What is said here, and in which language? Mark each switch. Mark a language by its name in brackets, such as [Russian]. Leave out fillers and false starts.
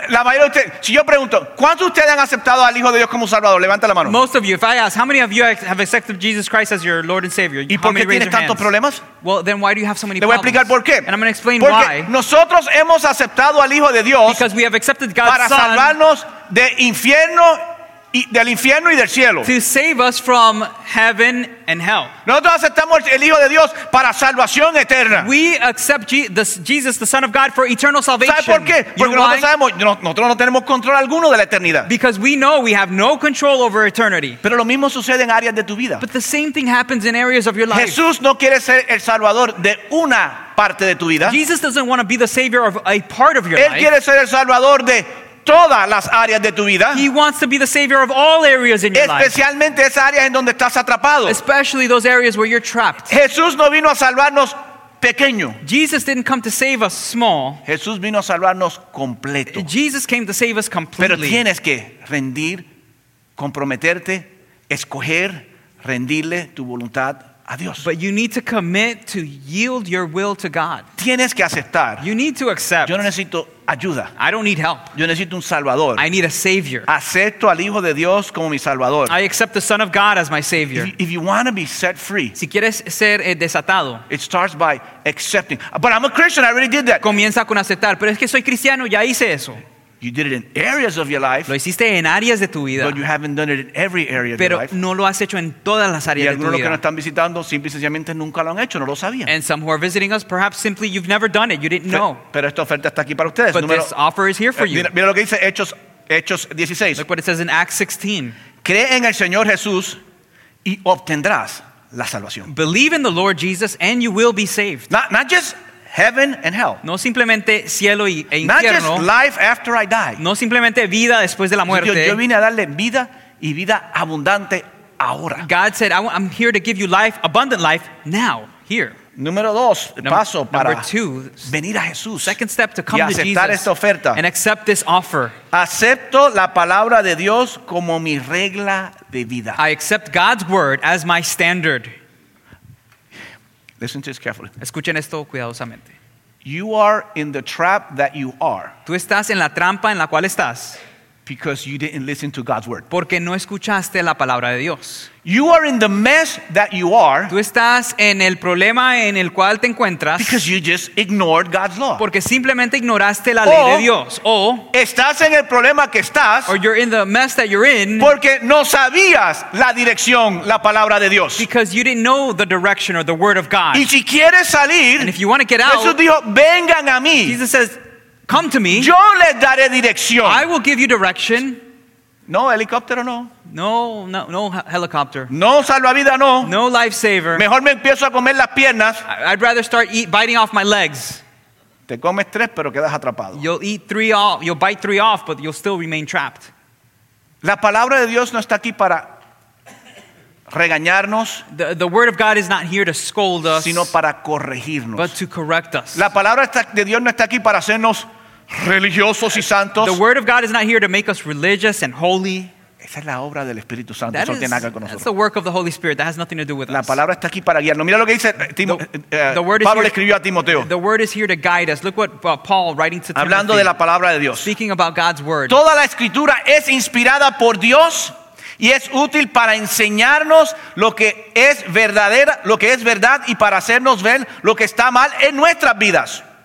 [Spanish] La mayoría de ustedes, si yo pregunto, ¿cuántos de ustedes han aceptado al Hijo de Dios como Salvador? Levanta la mano. [English] Most of you, if I ask, how many of you have accepted Jesus Christ as your Lord and Savior? [Spanish] ¿Y por qué tienes tantos problemas? [English] Well, then why do you have so many problems? [Spanish] Le voy a explicar por qué. [English] And I'm going to explain [Spanish] porque [English] why. [Spanish] Nosotros hemos aceptado al Hijo de Dios. [English] Because we have accepted God's [Spanish] para [English] Son. [Spanish] Para salvarnos de infierno. Y del infierno y del cielo. [English] To save us from heaven and hell. [Spanish] Nosotros aceptamos el Hijo de Dios para salvación eterna. [English] We accept Jesus, the Son of God, for eternal salvation. [Spanish] ¿Sabes por qué? Porque nosotros sabemos, nosotros no tenemos control alguno de la eternidad. [English] Because we know we have no control over eternity. [Spanish] Pero lo mismo sucede en áreas de tu vida. [English] But the same thing happens in areas of your life. [Spanish] Jesús no quiere ser el Salvador de una parte de tu vida. [English] Jesus doesn't want to be the Savior of a part of your [Spanish] Él [English] life. [Spanish] Él quiere ser el Salvador de todas las áreas de tu vida. [English] He wants to be the Savior of all areas in your [Spanish] especialmente [English] life. [Spanish] Esas áreas en donde estás atrapado. [English] Especially those areas where you're trapped. [Spanish] Jesús no vino a salvarnos pequeño. [English] Jesus didn't come to save us small. [Spanish] Jesús vino a salvarnos completo. [English] Jesus came to save us completely. [Spanish] Pero tienes que rendir, comprometerte, escoger, rendirle tu voluntad a Dios. [English] But you need to commit to yield your will to God. [Spanish] Tienes que aceptar. [English] You need to accept. [Spanish] Yo no necesito ayuda. [English] I don't need help. [Spanish] Yo necesito un salvador. [English] I need a savior. [Spanish] Acepto al Hijo de Dios como mi salvador. [English] I accept the Son of God as my savior. If you want to be set free, [Spanish] si quieres ser desatado, [English] it starts by accepting. But I'm a Christian, I already did that. [Spanish] Comienza con aceptar, pero es que soy cristiano, ya hice eso. [English] You did it in areas of your life. [Spanish] Lo hiciste en áreas de tu vida. [English] But you haven't done it in every area [Spanish] pero [English] of your life. [Spanish] No lo has hecho en todas las áreas y de tu vida. Algunos que nos están visitando simplemente nunca lo han hecho, no lo sabían. [English] And some who are visiting us, perhaps simply you've never done it, you didn't know. [Spanish] Pero esta oferta está aquí para ustedes. [English] But this offer is here for you. [Spanish] Mira lo que dice Hechos 16. [English] Look what it says in Acts 16. [Spanish] Cree en el Señor Jesús y obtendrás la salvación. [English] Believe in the Lord Jesus and you will be saved. Not just heaven and hell. [Spanish] No simplemente cielo y infierno. [English] Not just life after I die. [Spanish] No simplemente vida después de la muerte. Yo vine a darle vida y vida abundante ahora. [English] God said, I'm here to give you life, abundant life, now, here. [Spanish] Número dos, paso para [English] two, [Spanish] venir a Jesús. [English] Second step to come [Spanish] y aceptar [English] to Jesus [Spanish] esta oferta. [English] And accept this offer. [Spanish] Acepto la palabra de Dios como mi regla de vida. [English] I accept God's word as my standard. Listen to this carefully. [Spanish] Escuchen esto cuidadosamente. [English] You are in the trap that you are. [Spanish] Tú estás en la trampa en la cual estás. [English] Because you didn't listen to God's word. [Spanish] Porque no escuchaste la palabra de Dios. [English] You are in the mess that you are. [Spanish] Tú estás en el problema en el cual te encuentras. [English] Because you just ignored God's law. [Spanish] Porque simplemente ignoraste la ley de Dios. O estás en el problema que estás. [English] Or you're in the mess that you're in. [Spanish] Porque no sabías la dirección, la palabra de Dios. [English] Because you didn't know the direction or the word of God. [Spanish] Y si quieres salir, [English] and if you want to get out, [Spanish] Jesús dijo, "Vengan a mí." [English] Jesus says, come to me. [Spanish] Yo les daré dirección. [English] I will give you direction. No helicopter, no. No helicopter. [Spanish] No salvavidas, no. [English] No lifesaver. [Spanish] Mejor me empiezo a comer las piernas. [English] I'd rather start biting off my legs. [Spanish] Te comes tres, pero quedas atrapado. [English] You'll eat three off. You'll bite three off, but you'll still remain trapped. [Spanish] La palabra de Dios no está aquí para regañarnos, [English] the word of God is not here to scold us, [Spanish] sino para corregirnos, [English] but to correct us. [Spanish] La palabra de Dios no está aquí para hacernos religiosos y santos. [English] The word of God is not here to make us religious and holy. [Spanish] Esa es la obra del Espíritu Santo. Eso tiene nada que ver con nosotros. [English] That's the work of the Holy Spirit. That has nothing to do with us. [Spanish] La palabra está aquí para guiarnos. Mira lo que dice Pablo, le escribió a Timoteo. [English] The word is here to guide us. Look what Paul writing to Timothy. [Spanish] Hablando de la palabra de Dios. [English] Speaking about God's word. [Spanish] Toda la escritura es inspirada por Dios y es útil para enseñarnos lo que es verdadera, lo que es verdad, y para hacernos ver lo que está mal en nuestras vidas.